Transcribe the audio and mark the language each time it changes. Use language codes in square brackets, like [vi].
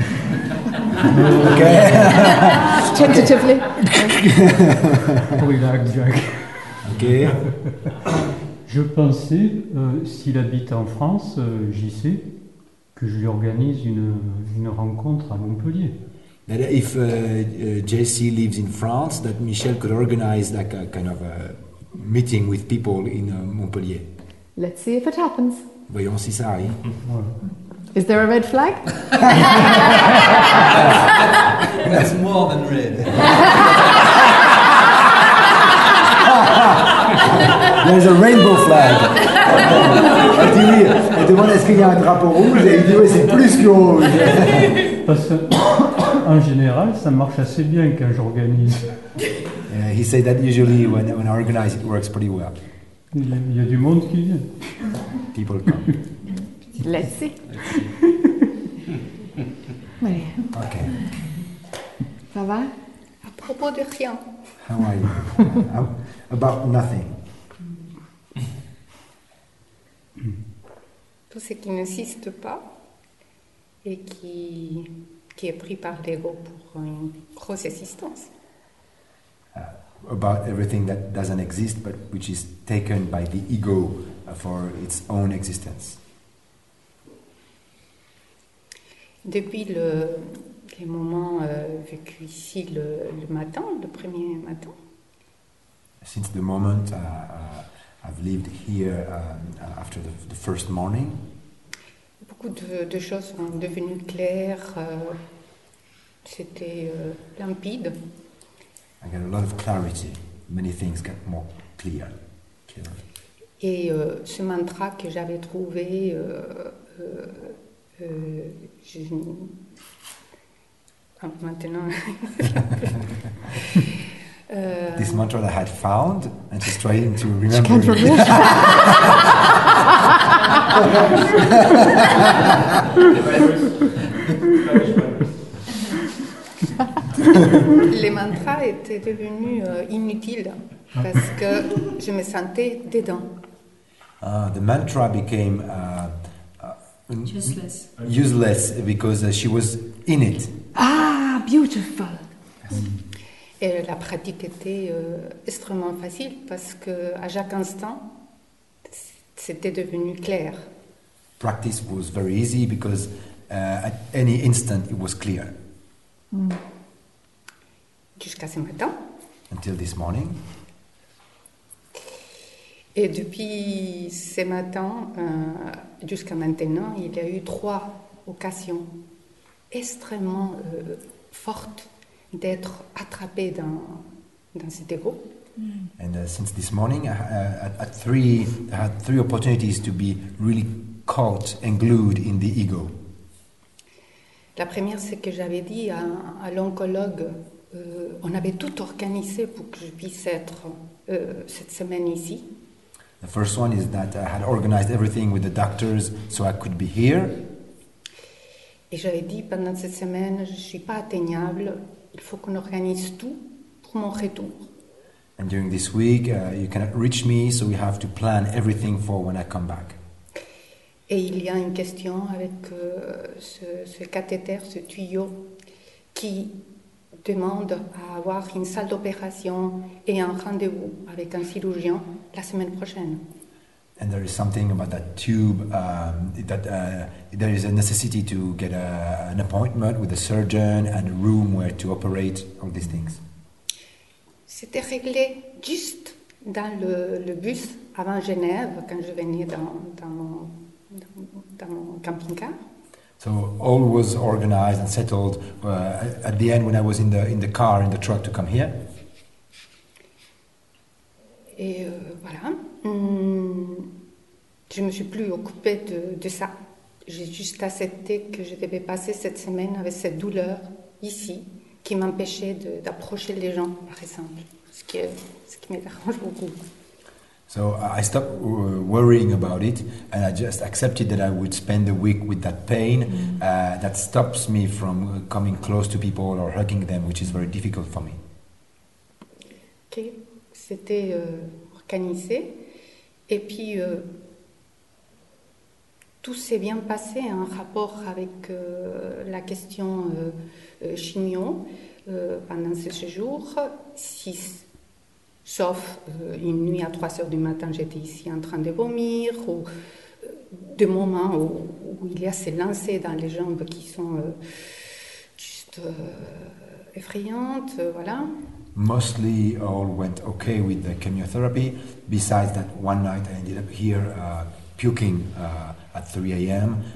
[en] Okay. Tentatively. [fr] Oui, là, Jack. [en] Okay. [fr] Je pensais, s'il habite en France, j'y sais, que je lui organise une rencontre à Montpellier. [en] That if JC lives in France, that Michel could organize like a kind of a meeting with people in Montpellier. Let's see if it happens. [fr] Voyons si ça arrive. [en] Is there a red flag? That's more than red. There's a rainbow flag. [fr] Elle demande est-ce qu'il y a un drapeau rouge et il dit oui, c'est plus que rouge. Parce qu'en général, ça marche assez bien quand j'organise. [en] He said that usually when I organize, it works pretty well. [fr] Il y a du monde qui vient. [en] People come. Let's see. [fr] Oui. [en] Ok. [fr] Ça va? À propos de rien. [en] How are you? About nothing. [fr] Tout ce qui n'existe pas et qui est pris par l'ego pour une grosse existence. [en] About everything that doesn't exist, but which is taken by the ego for its own existence. [fr] Depuis les moments vécus ici le matin, le premier matin. [en] Since the moment I've lived here after the first morning. [fr] Beaucoup de choses sont devenues claires. C'était limpide. [en] I got a lot of clarity. Many things got more clear. [fr] Et ce mantra que j'avais trouvé, maintenant. [en] This mantra that I had found, and she's trying to remember. She can't remember. [fr] Les mantras étaient devenus inutiles parce que je me sentais dedans. [en] The mantra became useless because she was in it. Ah, beautiful. [fr] Et la pratique était extrêmement facile parce que à chaque instant, c'était devenu clair. [en] Practice was very easy because at any instant it was clear. [fr] Jusqu'à ce matin. [en] Until this morning. [fr] Et depuis ce matin jusqu'à maintenant, il y a eu 3 occasions extrêmement fortes d'être attrapé dans cet ego. [en] And since this morning, I had three opportunities to be really caught and glued in the ego. [fr] La première, c'est que j'avais dit à l'oncologue, on avait tout organisé pour que je puisse être cette semaine ici. [en] The first one is that I had organized everything with the doctors so I could be here. [fr] Et j'avais dit pendant cette semaine, je ne suis pas atteignable, il faut qu'on organise tout pour mon retour. [en] And during this week, you cannot reach me, so we have to plan everything for when I come back. [fr] Et il y a une question avec ce cathéter, ce tuyau, qui demande à avoir une salle d'opération et un rendez-vous avec un chirurgien la semaine prochaine. [en] And there is something about that tube, there is a necessity to get an appointment with a surgeon and a room where to operate, all these things. [fr] C'était réglé juste dans le bus avant Genève, quand je venais dans mon camping-car. [en] So all was organized and settled at the end when I was in the car, in the truck to come here. [fr] Et voilà. Je ne me suis plus occupée de ça. J'ai juste accepté que je devais passer cette semaine avec cette douleur ici qui m'empêchait d'approcher les gens, par exemple. Ce qui me dérange beaucoup. [en] So I stopped worrying about it and I just accepted that I would spend the week with that pain that stops me from coming close to people or hugging them, which is very difficult for me. [fr] Ok, c'était organisé. Et puis, tout s'est bien passé en rapport avec la question chimio pendant ce séjour. Sauf une nuit à 3h du matin, j'étais ici en train de vomir, ou des moments où il y a ces lancers dans les jambes qui sont juste effrayantes, voilà. [en] Mostly all went okay with the chemotherapy, besides that one night I ended up here puking at 3 a.m.